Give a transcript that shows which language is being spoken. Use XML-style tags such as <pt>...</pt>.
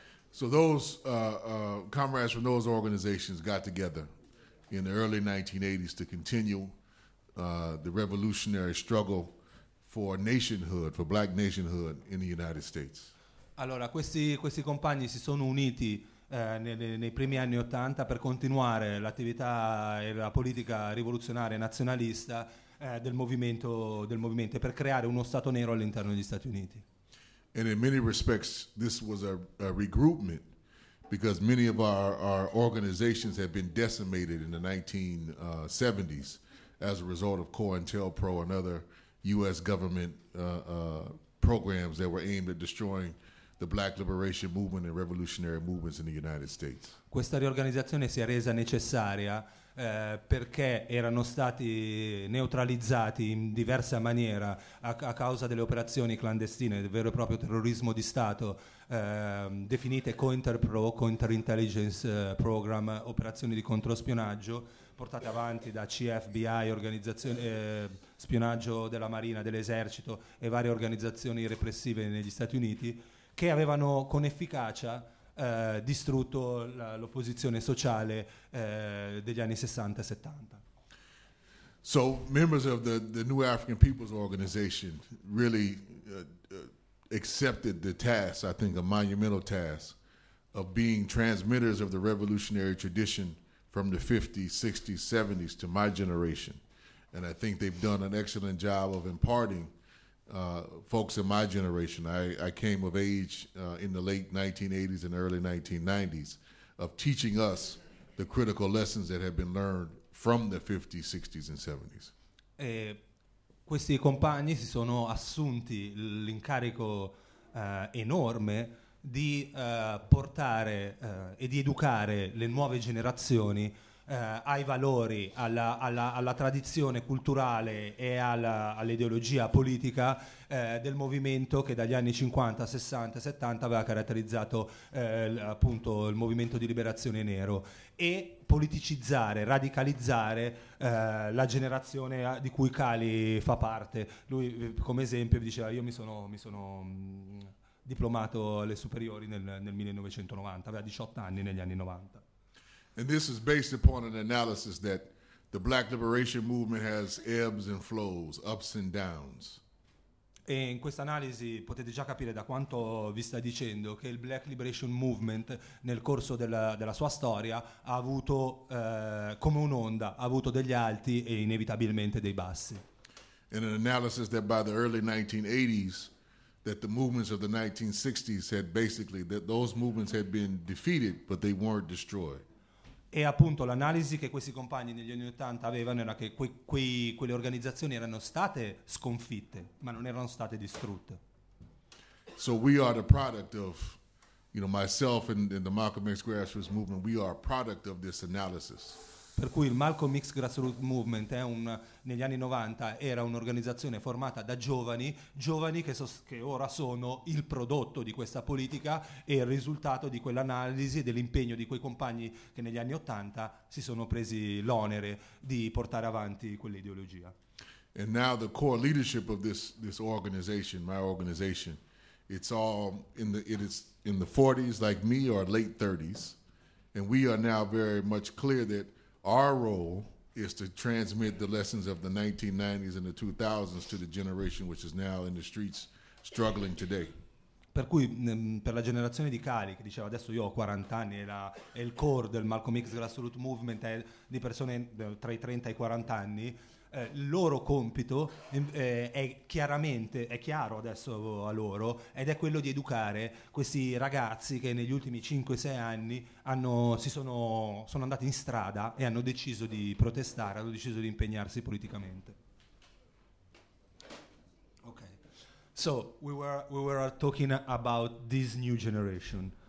<en>So those comrades from those organizations got together in the early 1980s to continue the revolutionary struggle for nationhood, for black nationhood in the United States.</en> <it>Allora, questi compagni si sono uniti nei primi anni Ottanta per continuare l'attività e la politica rivoluzionaria nazionalista del movimento per creare uno Stato nero all'interno degli Stati Uniti.</it> <en>And in many respects this was a regroupment because many of our organizations had been decimated in the 1970s as a result of COINTELPRO and other US government programs that were aimed at destroying the Black Liberation Movement and revolutionary movements in the United States.</en> <it>Questa riorganizzazione si è resa necessaria perché erano stati neutralizzati in diversa maniera a causa delle operazioni clandestine, del vero e proprio terrorismo di Stato, definite COINTELPRO, Counterintelligence Program, operazioni di controspionaggio portate avanti da CFBI, organizzazioni spionaggio della Marina, dell'Esercito e varie organizzazioni repressive negli Stati Uniti, che avevano con efficacia distrutto l'opposizione sociale degli anni 60 e 70.</it> <en>So members of the New African People's Organization really accepted the task, I think a monumental task, of being transmitters of the revolutionary tradition from the 50s, 60s, 70s to my generation. And I think they've done an excellent job of imparting folks in my generation, I came of age in the late 1980s and early 1990s, of teaching us the critical lessons that have been learned from the 50s, 60s, and 70s.</en> <it>E questi compagni si sono assunti l'incarico enorme di portare e di educare le nuove generazioni ai valori, alla tradizione culturale e all'ideologia politica del movimento che dagli anni 50, 60, 70 aveva caratterizzato appunto il movimento di liberazione nero, e politicizzare, radicalizzare la generazione di cui Cali fa parte. Lui, come esempio, diceva: io mi sono diplomato alle superiori nel 1990, aveva 18 anni negli anni 90.</it> <en>And this is based upon an analysis that the Black Liberation Movement has ebbs and flows, ups and downs.</en> <it>E in questa analisi potete già capire da quanto vi sta dicendo che il Black Liberation Movement nel corso della sua storia ha avuto come un'onda, ha avuto degli alti e inevitabilmente dei bassi.</it> <en>In an analysis that by the early 1980s that the movements of the 1960s had basically that those movements had been defeated but they weren't destroyed.</en> <it>E appunto l'analisi che questi compagni negli anni 80 avevano era che quelle organizzazioni erano state sconfitte, ma non erano state distrutte.</it> <en>So we are the product of, you know, myself and the Malcolm X Grassroots Movement, we are a product of this analysis.</en> <it>Per cui il Malcolm X Grassroots Movement negli anni 90 era un'organizzazione formata da giovani che ora sono il prodotto di questa politica e il risultato di quell'analisi e dell'impegno di quei compagni che negli anni 80 si sono presi l'onere di portare avanti quell'ideologia.</it> <en>And now the core leadership of this organization, my organization, it's all in the 40s like me or late 30s, and we are now very much clear that our role is to transmit the lessons of the 1990s and the 2000s to the generation which is now in the streets struggling today.</en> <it>Per cui per la generazione di Cali, che diceva adesso io ho 40 anni, è il core del Malcolm X Grassroots Movement, è di persone tra i 30 e i 40 anni, il loro compito è chiaro adesso a loro, ed è quello di educare questi ragazzi che negli ultimi 5-6 anni sono andati in strada e hanno deciso di protestare, hanno deciso di impegnarsi politicamente. Okay.</it> <en>So we were talking about this new generation.</en>